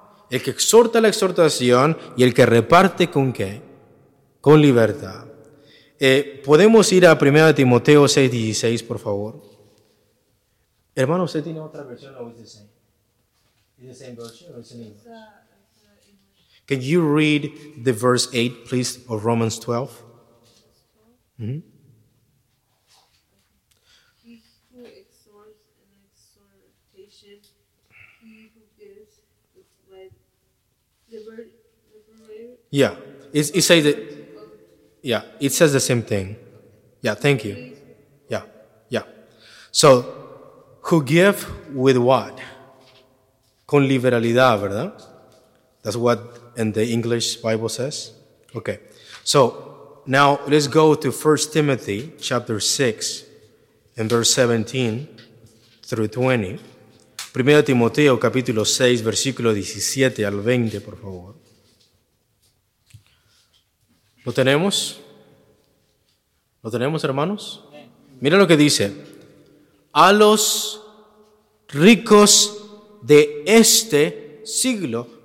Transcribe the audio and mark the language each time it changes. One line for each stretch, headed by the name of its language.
Spanish: El que exhorta la exhortación y el que reparte con qué. Con libertad. ¿Podemos ir a 1 Timoteo 6, 16, por favor? Hermano, ¿usted tiene otra versión o es la misma? ¿Es la misma versión o es en inglés?
English: Can you read the verse 8, please, of Romans 12? He who exhorts an exhortation, he who gives liberty. Yeah, it says that. Yeah, it says the same thing. Yeah, thank you. Yeah, yeah. So, who give with what?
Spanish: Con liberalidad, ¿verdad?
English: That's what in the English Bible says. Okay. So, now let's go to 1 Timothy chapter 6 and verse 17 through 20.
Spanish: 1 Timoteo capítulo 6, versículo 17 al 20, por favor. ¿Lo tenemos? ¿Lo tenemos, hermanos? Mira lo que dice. A los ricos de este siglo.